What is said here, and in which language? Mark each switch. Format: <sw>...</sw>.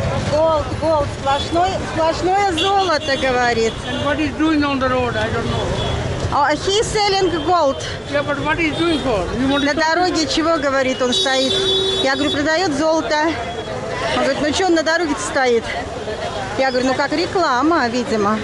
<ru>Голд, голд, сплошное золото, говорит.</ru> <en>And what is doing on the road, I don't know. Oh, he's selling gold. Yeah, but what is doing for? You want</en> <ru>на дороге чего, говорит, он стоит. Я говорю, продает золото. Он говорит, ну что он на дороге стоит? Я говорю, ну как реклама, видимо.</ru>